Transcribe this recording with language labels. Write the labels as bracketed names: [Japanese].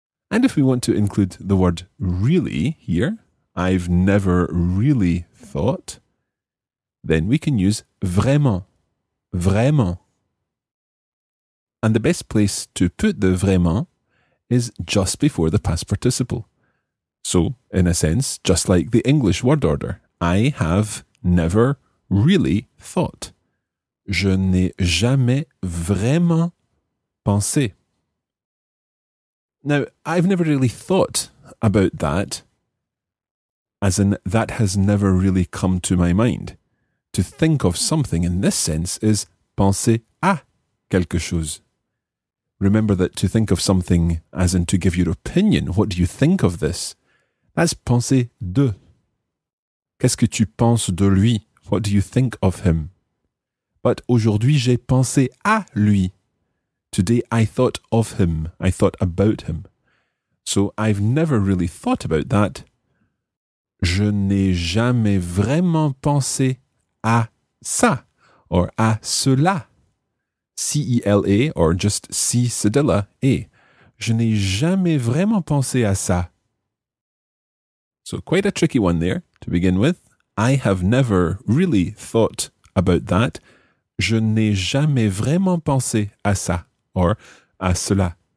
[English] And if we want to include the word really here, I've never really thought, then we can use vraiment. Vraiment. And the best place to put the vraiment is just before the past participle. So, in a sense, just like the English word order, I have never really thought. [French] Je n'ai jamais vraiment pensé. [English] Now, I've never really thought about that, as in that has never really come to my mind. To think of something in this sense is [French] penser à quelque chose. [English] Remember that to think of something, as in to give your opinion, what do you think of this? That's penser de. [French] Qu'est-ce que tu penses de lui? [English] What do you think of him? But [French] aujourd'hui, j'ai pensé à lui. [English] Today, I thought of him. I thought about him. So, I've never really thought about that. [French] Je n'ai jamais vraiment pensé à ça, or à cela. [English] C-E-L-A, or just C-Cedilla, A. [French] Je n'ai jamais vraiment pensé à ça. [English] So quite a tricky one there to begin with. I have never really thought about that. [French] Je n'ai jamais vraiment pensé à ça or à cela.